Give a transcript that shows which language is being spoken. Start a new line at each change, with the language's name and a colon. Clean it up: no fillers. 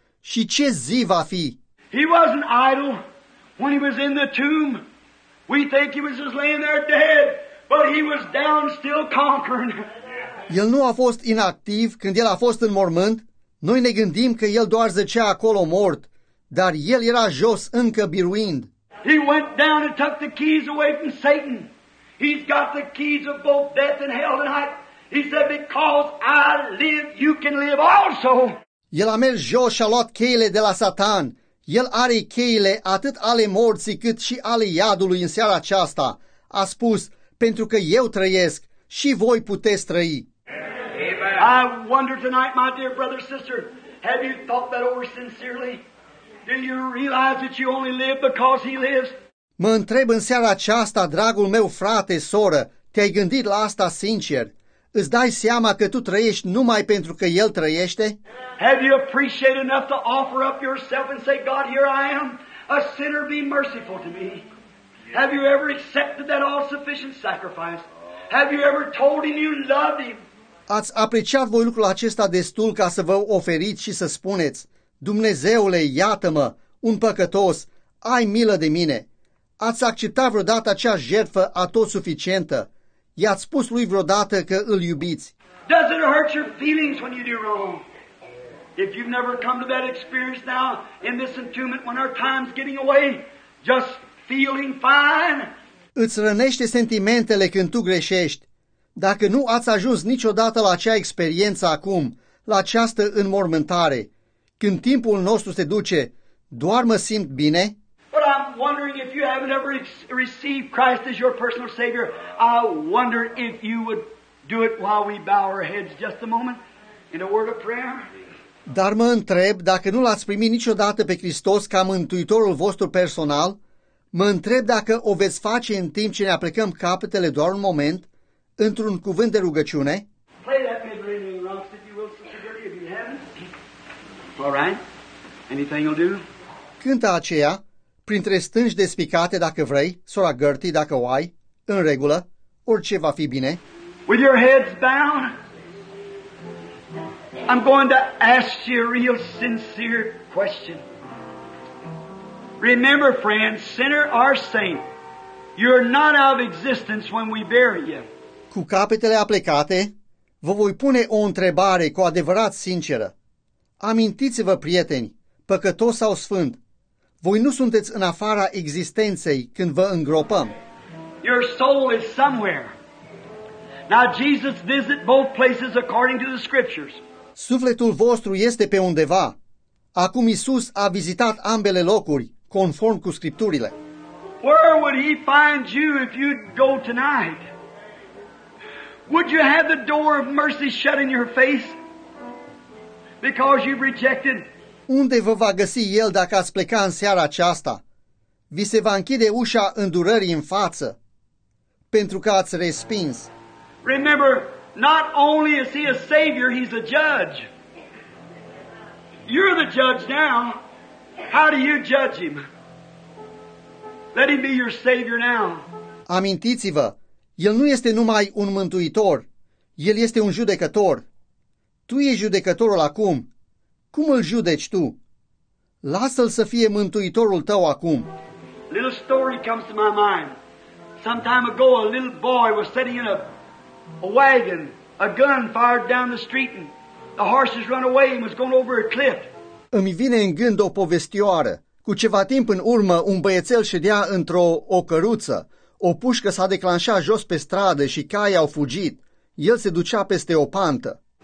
Romanian: Și ce zi va fi?
English: He wasn't idle when he was in the tomb. We think he was just laying there dead, but he was down still conquering.
Romanian: El nu a fost inactiv când el a fost în mormânt. Noi ne gândim că el doar zăcea acolo mort, dar el era jos încă biruind.
English: He went down and took the keys away from Satan. He's got the keys of both death and hell tonight. He said, because I live, you can live also.
Romanian: El a mers jos și a luat cheile de la Satan. El are cheile atât ale morții cât și ale iadului în seara aceasta. A spus, pentru că eu trăiesc, și voi puteți trăi. Amen.
English: I wonder tonight, my dear brother, sister, have you thought that over sincerely? Do you realize that you only live because he lives?
Romanian: Mă întreb în seara aceasta, dragul meu frate, soră, te-ai gândit la asta sincer? Îți dai seama că tu trăiești numai pentru că el trăiește?
English: Have you appreciated enough to offer up yourself and say, God, here I am, a sinner, be merciful to me? Have you ever accepted that all-sufficient sacrifice? Have you ever told him you loved him?
Romanian: Ați apreciat voi lucrul acesta destul ca să vă oferiți și să spuneți, Dumnezeule, iată-mă, un păcătos, ai milă de mine. Ați acceptat vreodată acea jertfă atot suficientă? I-ați spus lui vreodată că îl iubiți?
English: Does it hurt your feelings when you do wrong? If you've never come to that experience now, in this entombment, when our time's getting away, just feeling fine?
Romanian: Îți rănește sentimentele când tu greșești. Dacă nu ați ajuns niciodată la acea experiență acum, la această înmormântare, când timpul nostru se duce, doar mă simt bine?
English: But I'm wondering if you haven't ever received Christ as your personal Savior, I wonder if you would do it while we bow our heads just a moment in a word of prayer.
Romanian: Dar mă întreb, dacă nu l-ați primit niciodată pe Hristos ca Mântuitorul vostru personal, mă întreb dacă o veți face în timp ce ne aplecăm capetele doar un moment, într-un cuvânt de rugăciune?
English: Play that mid-ringing rocks, if you will, sister, if you haven't. All right. Anything you'll do?
Romanian: Cânta aceea, printre stânci despicate, dacă vrei, sora Gertie, dacă o ai, în regulă, orice va fi bine.
English: With your heads bound, I'm going to ask you a real sincere question. Remember, friend, sinner or saint, you're not out of existence when we bury you.
Romanian: Cu capetele aplecate, vă voi pune o întrebare cu adevărat sinceră. Amintiți-vă, prieteni, păcătos sau sfânt, voi nu sunteți în afara existenței când vă îngropăm.
English: Your soul is somewhere. Now Jesus visits both places according to the scriptures.
Romanian: Sufletul vostru este pe undeva. Acum Iisus a vizitat ambele locuri, conform cu scripturile.
English: Where would he find you if you'd go tonight? Would you have the door of mercy shut in your face because you've rejected?
Romanian: Unde vă va găsi el dacă ați pleca în seara aceasta? Vi se va închide ușa îndurării în față pentru că ați respins.
English: Remember, not only is he a savior, he's a judge. You're the judge now. How do you judge him? Let him be your savior now.
Romanian: Amintiți-vă, el nu este numai un mântuitor, el este un judecător. Tu ești judecătorul acum. Cum îl judeci tu? Lasă-l să fie mântuitorul tău acum.
English: Little story comes to my mind. some time ago, a little boy was sitting in a wagon. A gun fired down the street and the horses run away and was going over a cliff.
Romanian: Îmi vine în gând o povestioară. Cu ceva timp în urmă, un băiețel ședea într-o ocăruță. O pușcă s-a declanșat jos pe stradă și caii au fugit. El se ducea peste o pantă.